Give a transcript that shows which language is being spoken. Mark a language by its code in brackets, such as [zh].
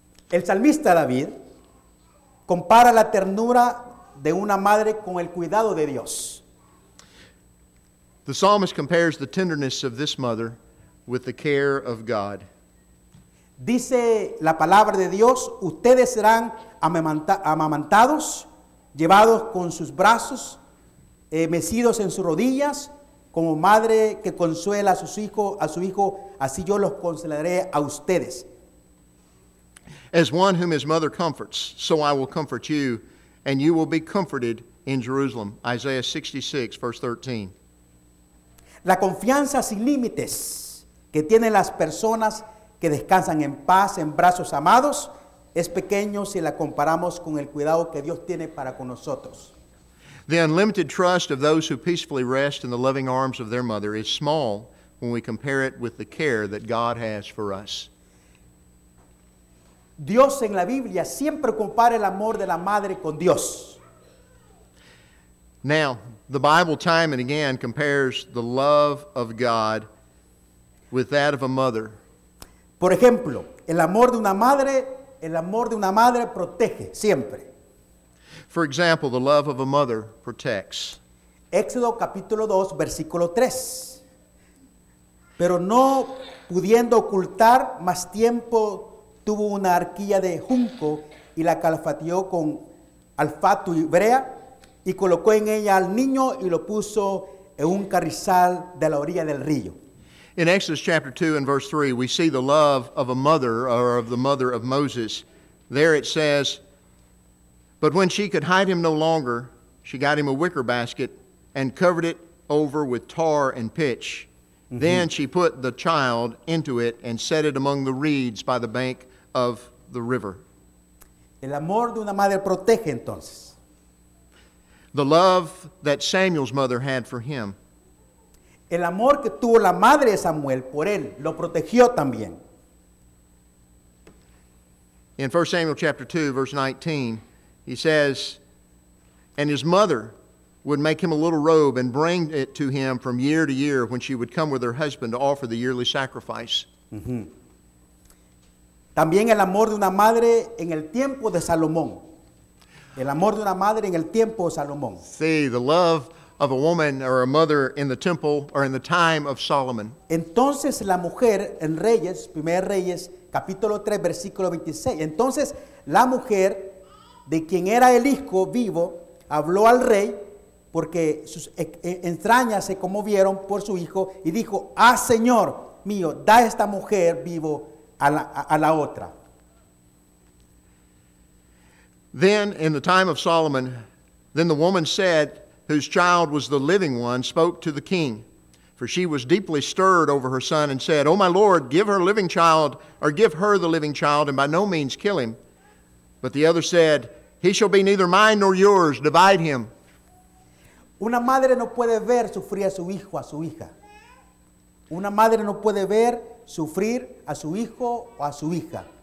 [es] El salmista David compara la ternura de una madre con el cuidado de Dios. [en] The psalmist compares the tenderness of this mother with the care of God. [es] Dice la palabra de Dios, ustedes serán amamantados, llevados con sus brazos, mecidos en sus rodillas, como madre que consuela a sus hijos, así yo los consolaré a ustedes. [en] As one whom his mother comforts, so I will comfort you, and you will be comforted in Jerusalem. Isaiah 66, verse 13. [es] La confianza sin límites que tienen las personas que descansan en paz, en brazos amados, es pequeño si la comparamos con el cuidado que Dios tiene para con nosotros. [en] The unlimited trust of those who peacefully rest in the loving arms of their mother is small when we compare it with the care that God has for us. [es] Dios en la Biblia siempre compara el amor de la madre con Dios. [en] Now, the Bible time and again compares the love of God with that of a mother. [es] Por ejemplo, el amor de una madre protege siempre. [en] For example, the love of a mother protects. [es] Éxodo capítulo 2, versículo 3. Pero no pudiendo ocultar más tiempo, tuvo una arquilla de junco y la calafateó con alfato y brea y colocó en ella al niño y lo puso en un carrizal de la orilla del río. [en] In Exodus chapter 2 and verse 3, we see the love of a mother or of the mother of Moses. There it says, but when she could hide him no longer, she got him a wicker basket and covered it over with tar and pitch. Mm-hmm. Then she put the child into it and set it among the reeds by the bank of the river. [es] El amor de una madre protege, entonces. [en] The love that Samuel's mother had for him. [es] El amor que tuvo la madre de Samuel por él lo protegió también. [en] In 1 Samuel chapter 2, verse 19, he says, and his mother would make him a little robe and bring it to him from year to year when she would come with her husband to offer the yearly sacrifice. Mm-hmm. [es] También el amor de una madre en el tiempo de Salomón. El amor de una madre en el tiempo de Salomón. [en] See, the love of a woman or a mother in the temple or in the time of Solomon. [es] Entonces la mujer en Reyes, 1 Reyes, capítulo 3, versículo 26. Entonces la mujer de quien era el hijo vivo habló al rey porque sus entrañas se conmovieron por su hijo y dijo, ah, Señor mío, da esta mujer vivo a la otra. [en] Then in the time of Solomon, then the woman said, whose child was the living one, spoke to the king. For she was deeply stirred over her son and said, oh, my Lord, give her the living child, and by no means kill him. But the other said, he shall be neither mine nor yours. Divide him. [es] Una madre no puede ver sufrir a su hijo, a su hija. Una madre no puede ver sufrir a su hijo o a su hija.